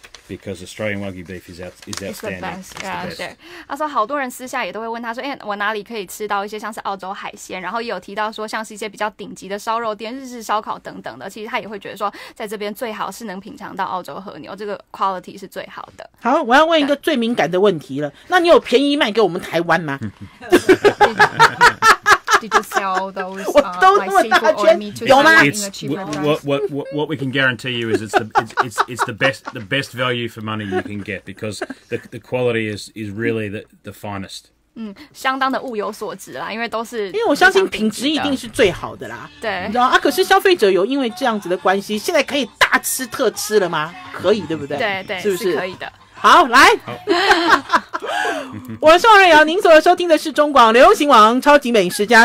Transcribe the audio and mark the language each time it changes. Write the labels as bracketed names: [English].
[English] Because Australian Wagyu beef is outstanding. It's the best. Yeah, [Chinese] 对。他说，好多人私下也都会问他说，哎，我哪里可以吃到一些像是澳洲海鲜？然后也有提到说，像是一些比较顶级的烧肉店、日式烧烤等等的。其实他也会觉得说，在这边最好是能品尝到澳洲和牛，这个 quality 是最好的。好，我要问一个最敏感的问题了。那你有便宜卖给我们台湾吗？ [English] Did you sell those like seafood or meat to the cheaper price? What we can guarantee you is it's the best value for money you can get because the quality is really the finest. [Chinese] 相当的物有所值啦，因为都是因为我相信品质一定是最好的啦。对，你知道啊？可是消费者有因为这样子的关系，现在可以大吃特吃了吗？可以，对不对？对对，是不是可以的？好，来。我是宋瑞瑶，您所收听的是中广流行网超级美食家。